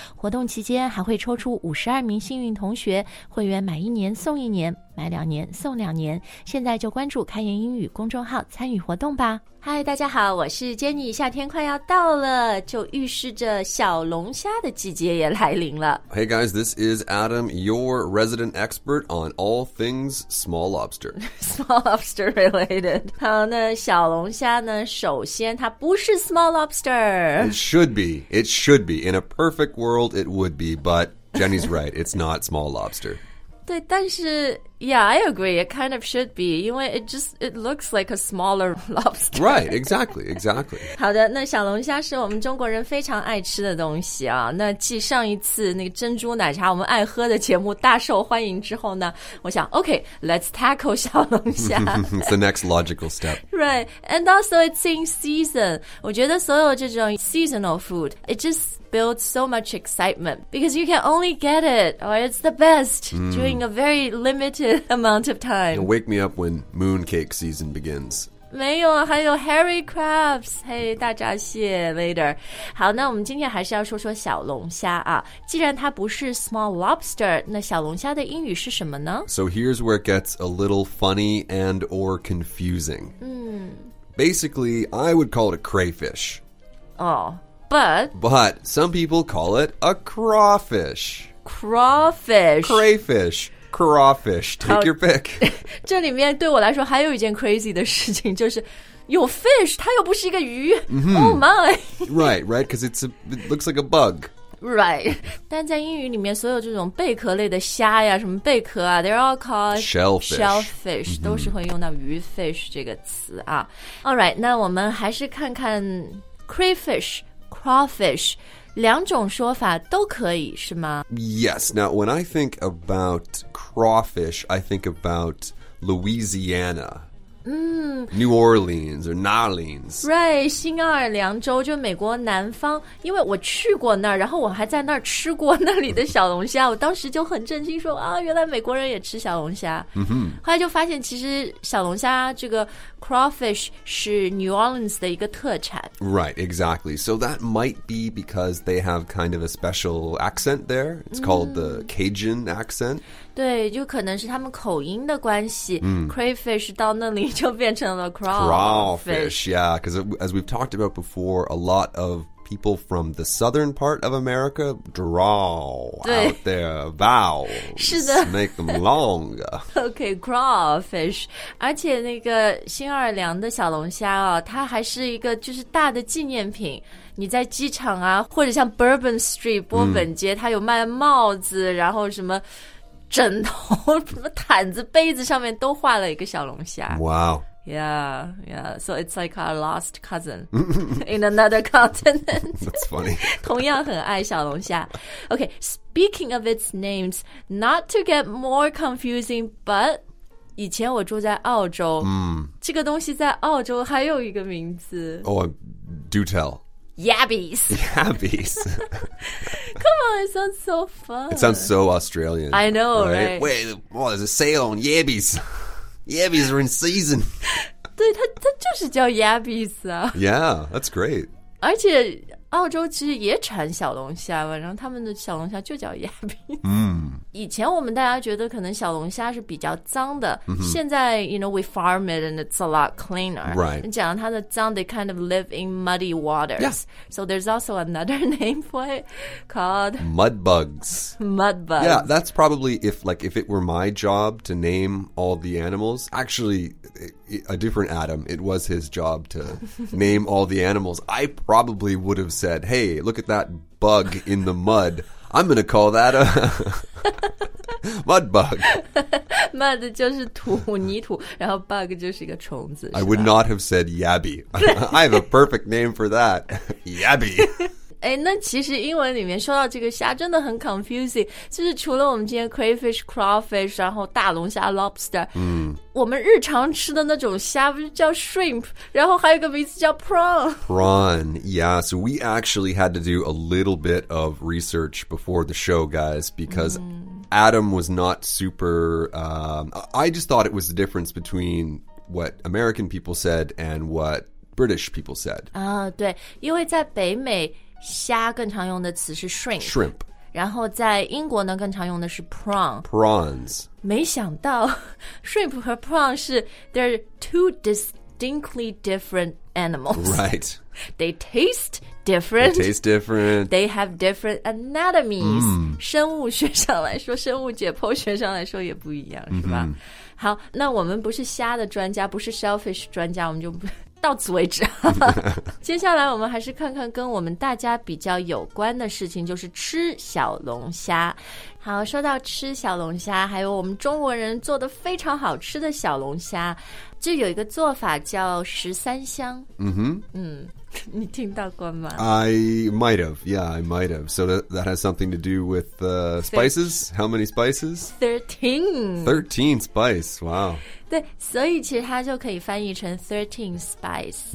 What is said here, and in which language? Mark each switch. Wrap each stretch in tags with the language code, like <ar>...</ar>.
<zh>活动期间还会抽出52名幸运同学，会员买一年送一年，买两年送两年。现在就关注开言英语公众号参与活动吧。嗨，大家好，我是 Jenny， 夏天快要到了，就预示着小龙虾的季节也来临了。</zh> <en>Hey guys, this is Adam, your resident expert on all things small lobster. Small lobster related.</en> <zh>好，那小龙虾呢，首先它不是 small lobster.</zh> <en>It should be. In a perfect world, it would be, but Jenny's right, it's not small lobster.</en> <zh>对，但是</zh> <en>Yeah, I agree. It kind of should be, because it looks like a smaller lobster. Right, exactly.</en> <zh>好的，那小龙虾是我们中国人非常爱吃的东西啊。那继上一次那个珍珠奶茶我们爱喝的节目大受欢迎之后呢，我想</zh> <en>okay, let's tackle</en> <zh>小龙虾。</zh> <en>It's the next logical step. Right, and also it's in season.</en> <zh>我觉得所有这种</zh> <en>seasonal food, it just builds so much excitement, because you can only get it, or it's the best, during a very limited amount of time. You'll wake me up when mooncake season begins.</en> <zh>没有，还有</zh> <en>hairy crabs. Hey, 大闸蟹 later.</en> <zh>好，那我们今天还是要说说小龙虾啊。既然它不是 small lobster, 那小龙虾的英语是什么呢？</zh> <en>So here's where it gets a little funny and or confusing. Basically, I would call it a crayfish. Oh, but... But some people call it a crawfish. Crawfish. Crayfish. Crawfish, take your pick.</en> <zh>这里面对我来说还有一件 crazy 的事情，就是有 fish, 它又不是一个鱼。</zh> <en>Oh my! Right, because it looks like a bug. Right.</en> <zh>但在英语里面所有这种贝壳类的虾呀，什么贝壳啊，</zh> <en>they're all called shellfish,、</en> <zh>mm-hmm. 都是会用到鱼 fish 这个词啊。Alright, 那我们还是看看 crayfish, crawfish,两种说法都可以是吗</zh> <en>Yes. Now, when I think about crawfish, I think about Louisiana. New Orleans or New Orleans. Right.</en> <zh>新奥尔良州就美国南方因为我去过那儿然后我还在那儿吃过那里的小龙虾我当时就很震惊说啊原来美国人也吃小龙虾、 mm-hmm. 后来就发现其实小龙虾这个 crawfish 是 New Orleans 的一个特产</zh> <en>Right, exactly. So that might be because they have kind of a special accent there. It's called the Cajun accent.</en> <zh>对就可能是他们口音的关系、crayfish 到那里就变成了</zh> <en>crawfish. Yeah, because as we've talked about before, a lot of people from the southern part of America draw out their vowels.</en> <zh>是的</zh> <en>Make them long. Okay, crawfish.</en> <zh>而且那个新奥尔良的小龙虾哦，它还是一个就是大的纪念品。你在机场啊，或者像 Bourbon Street 波本街，它有卖帽子，然后什么枕头、什么毯子、杯子上面都画了一个小龙虾。</zh> <en>Wow. Yeah. So it's like our lost cousin in another continent. That's funny.</en> <zh>同样很爱小龙虾。</zh> <en>Okay, speaking of its names, not to get more confusing, but</en> <zh>以前我住在澳洲。这个东西在澳洲还有一个名字。</zh> <en>Oh, do tell. Yabbies. Yabbies. Come on, it sounds so fun. It sounds so Australian. I know, right? Wait, there's a sale on Yabbies. Yabbies are in season.</en> <zh>对它就是叫 Yabbies 啊</zh> <en>Yeah, that's great.</en> <zh>而且澳洲其实也产小龙虾嘛然后他们的小龙虾就叫 Yabbies、以前我们大家觉得可能小龙虾是比较脏的、现在</zh> <en>you know, we farm it and it's a lot cleaner. Right.</en> <zh>讲它的脏</zh> <en>they kind of live in muddy waters. Yeah. So there's also another name for it called... Mud bugs. Yeah, that's probably if it were my job to name all the animals, actually... A different Adam, it was his job to name all the animals. I probably would have said, hey, look at that bug in the mud. I'm going to call that a mud bug.</en> <zh>Mud 就是土泥土然后 bug 就是一个虫子</zh> <en>I would not have said yabby. I have a perfect name for that. Yabby.</en> <zh>哎，那其实英文里面说到这个虾真的很 confusing 就是除了我们今天 crayfish, crawfish 然后大龙虾 lobster 我们日常吃的那种虾不是叫 shrimp 然后还有个名字叫 prawn</zh> <en>yeah so we actually had to do a little bit of research before the show guys because Adam was not super... I just thought it was the difference between what American people said and what British people said.</en> <zh>对，因为在北美，虾更常用的词是 shrimp。</zh> <en>Shrimp。</en> <zh>然后在英国呢，更常用的是 prawn。</zh> <en>Prawns。</en> <zh>没想到</zh> <en>shrimp 和 prawn 是 they're two distinctly different animals. Right. They taste different. They taste different. They have different anatomies.、Mm.</en> <zh>生物学上来说，生物解剖学上来说也不一样，是吧？ Mm-hmm. 好，那我们不是虾的专家，不是 shellfish 专家，我们就不。到此为止接下来我们还是看看跟我们大家比较有关的事情就是吃小龙虾好说到吃小龙虾还有我们中国人做的非常好吃的小龙虾就有一个做法叫十三香、 mm-hmm. 嗯，你听到过吗</zh> <en>I might have yeah I might have so that has something to do with spices how many spices 13 spice wow</en> <zh>对，所以其实它就可以翻译成 13 spice、</zh>